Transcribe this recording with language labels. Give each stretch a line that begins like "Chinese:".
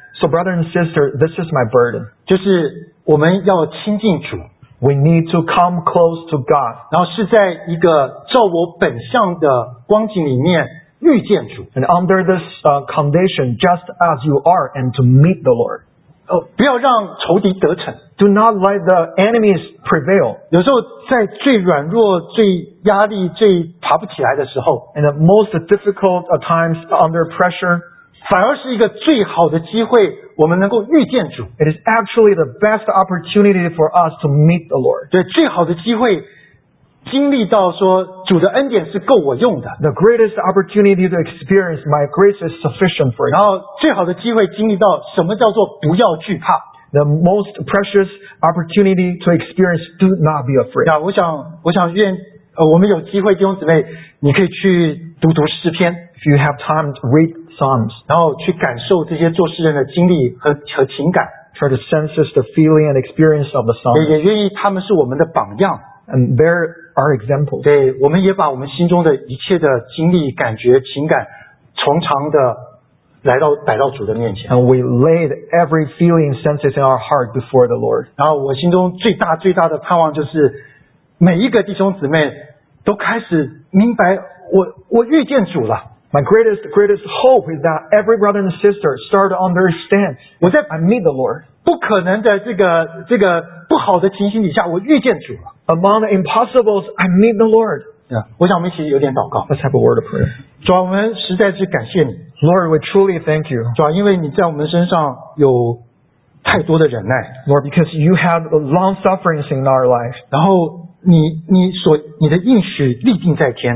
English: So brother and sister, this is my burden.
Chinese: 就是我们要亲近主。
English: We need to come close to God.
Chinese: 然后是在一个照我本相的光景里面遇见主。
English: And under this condition, just as you are, and to meet the Lord.
Chinese: 不要让仇敌得逞。
English: Do not let the enemies prevail.
Chinese: 有时候在最软弱、最压力、最爬不起来的时候
English: ，and the most difficult times under pressure.
Chinese: 反而是一个最好的机会。我们能够遇见主。
English: It is actually the best opportunity for us to meet the Lord.
Chinese: 对，最好的机会，经历到说主的恩典是够我用的。
English: The greatest opportunity to experience my grace is sufficient for you.
Chinese: 然后最好的机会经历到什么叫做不要惧怕。
English: The most precious opportunity to experience do not be afraid.
Chinese: 我想愿我们有机会弟兄姊妹，你可以去读读诗篇。
English: If you have time to read Psalms,
Chinese: 然后去感受这些作诗人的经历 和情感
English: try to sense the feeling and experience of the song
Chinese: 也愿意他们是我们的榜样
English: and they're our examples
Chinese: 对我们也把我们心中的一切的经历感觉情感从长的来到摆到主的面前
English: and we laid every feeling and senses in our heart before the Lord
Chinese: 然后我心中最大最大的盼望就是每一个弟兄姊妹都开始明白我遇见主了
English: My greatest hope is that every brother and sister start to understand. I meet the Lord.
Chinese: 不可能的这个不好的情形底下，我遇见主了。
English: Among the impossibles, I meet the Lord.
Chinese: Yeah, 我想我们一起有点祷告。
English: Let's have a word of prayer.
Chinese: 主啊，我们实在是感谢你。
English: Lord, we truly thank you.
Chinese: 主啊，因为你在我们身上有太多的忍耐。
English: Lord, because you have long sufferings in our life.
Chinese: 然后你的应许立定在天。